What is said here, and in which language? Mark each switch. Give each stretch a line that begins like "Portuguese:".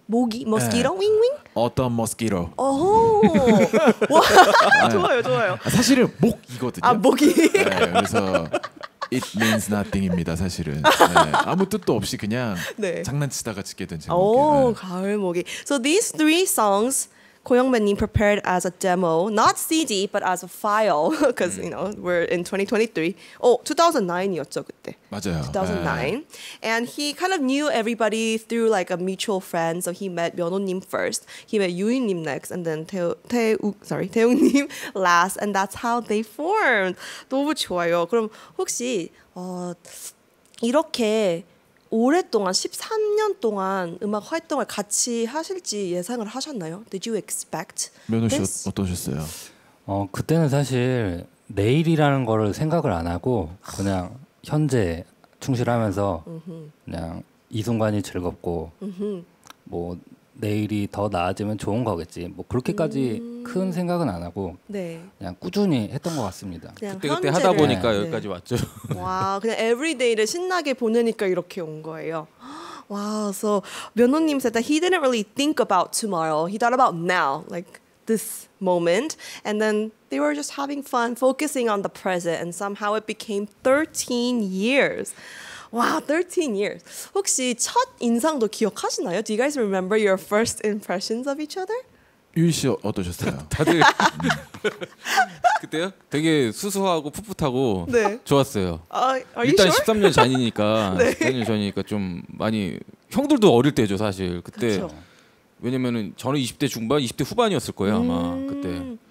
Korean: 모기. 머스키로. 네. 윙윙. 어떤 머스키로. 오호. 와. 좋아요. 좋아요. 사실은 목이거든요. 아 목이. 네, 그래서
English: it means nothing
Korean: 입니다. 사실은 네, 아무 뜻도 없이 그냥 네. 장난치다가 짓게 된 제목이에요. 오, 가을 모기.
English: So these three songs Koyoungmin prepared as a demo, not CD, but as a file, because you know we're in 2023.
Korean: Oh, 2009이었죠 그때. 맞아요.
English: 2009, 네. And he kind of knew everybody through like a mutual friend. So he met 면호님 first, he met 유인님 next, and then 태웅님 last, and that's how they formed.
Korean: 너무 좋아요. 그럼 혹시 이렇게 오랫동안 13년 동안 음악 활동을 같이 하실지 예상을 하셨나요?
English: Did you expect?
Korean: 면호 씨 어떠셨어요? 그때는 사실 내일이라는 거를 생각을 안 하고 그냥 현재 충실하면서 그냥 이 순간이 즐겁고 뭐 내일이 더 나아지면 좋은 거겠지. 뭐 그렇게까지 큰 생각은 안 하고 네. 그냥 꾸준히 했던 것 같습니다. 그때 하다 보니까 네. 여기까지 네. 왔죠. 와, 그냥 에브리데이를 신나게 보내니까 이렇게 온 거예요.
English: 와, so 면호님 said that he didn't really think about tomorrow. He thought about now, like this moment. And then they were just having fun, focusing on the present. And somehow it became 13 years. Wow, 13 years.
Korean: 혹시 첫 인상도 기억하시나요?
English: Do you guys remember your first impressions of each other?
Korean: 유인 씨 어떠셨어요? 다들 그때요? 되게 수수하고 풋풋하고 네. 좋았어요.
English: Are you
Korean: 일단
English: sure?
Korean: 13년 전이니까 네. 13년 전이니까 좀 많이 형들도 어릴 때죠 사실 그때. 그렇죠. 왜냐면은 저는 20대 중반, 20대 후반이었을 거예요 아마 그때.